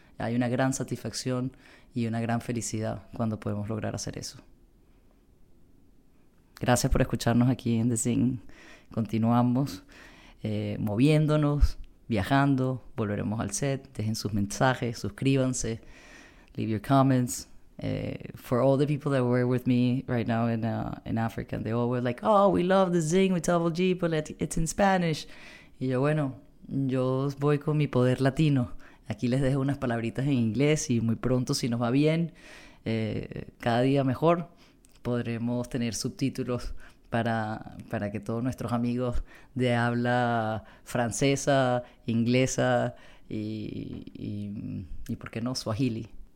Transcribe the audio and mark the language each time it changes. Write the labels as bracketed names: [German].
[Spanish] Hay una gran satisfacción y una gran felicidad cuando podemos lograr hacer eso. Gracias por escucharnos aquí en The Zing. Continuamos moviéndonos, viajando, volveremos al set. Dejen sus mensajes, suscríbanse, [English] leave your comments. For all the people that were with me right now in Africa, and they all were like, oh, we love the Zing with double G, but it's in Spanish. [Spanish] Y yo, bueno, yo voy con mi poder latino. Aquí les dejo unas palabritas en inglés y muy pronto, si nos va bien, cada día mejor, podremos tener subtítulos para que todos nuestros amigos de habla francesa, inglesa y ¿por qué no? Swahili.